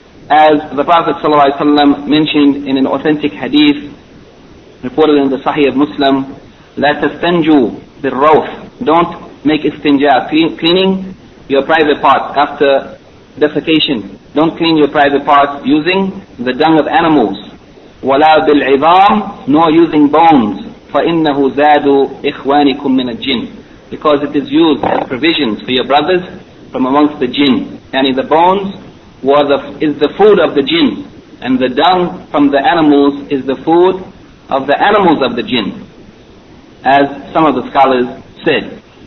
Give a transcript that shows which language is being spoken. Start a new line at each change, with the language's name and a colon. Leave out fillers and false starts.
English: as the Prophet ﷺ mentioned in an authentic hadith reported in the Sahih of Muslim,
Arabic: لا تستنجوا بالروث.
English: Don't make istinja, cleaning your private parts after defecation. Don't clean your private parts using the dung of animals.
Arabic: ولا بالعظام,
English: nor using bones.
Arabic: فإنه زادوا إخوانكم من الجن.
English: Because it is used as provisions for your brothers from amongst the jinn. And in the bones is the food of the jinn, and the dung from the animals is the food of the animals of the jinn, as some of the scholars said.